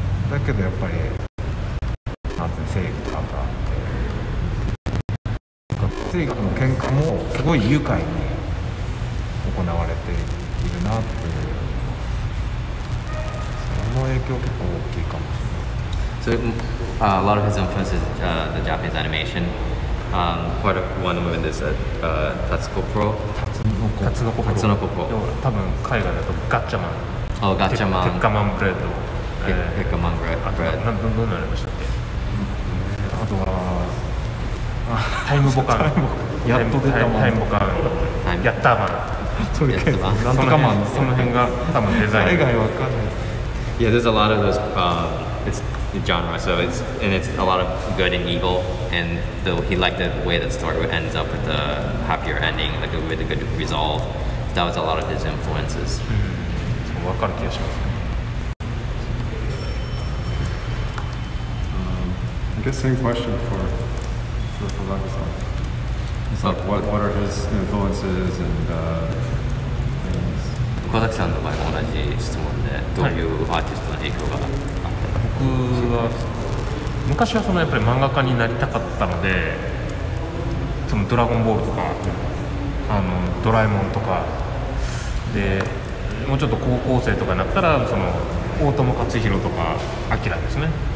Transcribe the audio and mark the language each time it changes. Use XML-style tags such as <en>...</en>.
<ja>だけどやっぱり、なんていうの、正義とかがあって、正義との喧嘩もすごい愉快に行われているなっていう、その影響結構大きいかもしれない。</ja> <en>So, a lot of his influence is the Japanese animation. Part of one movement is Tatsuko Pro. Tatsunoko Pro.</en> <ja>多分海外だとガッチャマン。あ、ガッチャマン。ペッカマンブレッド。ペッカマングレッド。あと、どんなのありましたっけ？あとは、タイムボカン。やっと出たもん。タイムボカン。ヤッターマン。とりあえず、なんとかマン。その辺が多分デザイン。海外わかんない。</ja> <en>Yeah, there's a lot of those, it's the genre, so it's, and it's a lot of good and evil, and though he liked the way the story ends up with a happier ending, like a really good resolve, that was a lot of his influences.</en> <ja>So, わかる気がします。</ja> <en>I guess same question for Kozaki-san. It's like, what are his influences and things?</en> <ja>Kozaki-san の場合も同じ質問で、どういうアーティストの影響があったの？僕は、昔はそのやっぱり漫画家になりたかったので、そのドラゴンボールとか、あのドラえもんとか、で、もうちょっと高校生とかになったら、その大友克洋とか、アキラですね。</ja>